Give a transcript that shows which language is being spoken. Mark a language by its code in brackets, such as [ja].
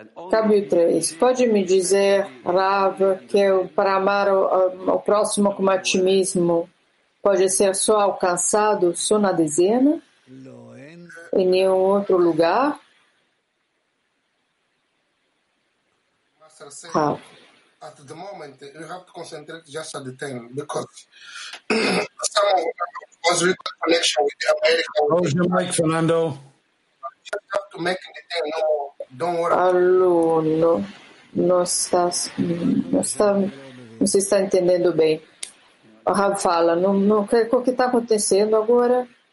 [pt] Cabe 3. Pode me dizer, Rav, que para amar o próximo como a ti mesmo, pode ser só alcançado, só na dezena, em nenhum outro lugar? Rav. [en] At the moment, you have to concentrate just at the time because some was recent connection with America. Close your mic, Fernando. You have to make the time. No, don't worry. [pt] Alô, não, não se está entendendo bem. O Rav fala, não, o que está acontecendo agora?